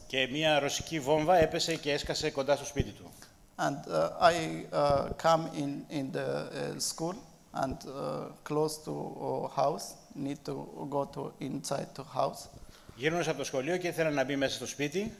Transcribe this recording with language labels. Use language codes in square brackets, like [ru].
[el] Και μια ρωσική βόμβα έπεσε και έσκασε κοντά στο σπίτι του. [en] And I come in the school and close to house, need to go to inside to house. [el] Γύρνωσα από το σχολείο και ήθελα να μπει μέσα στο σπίτι.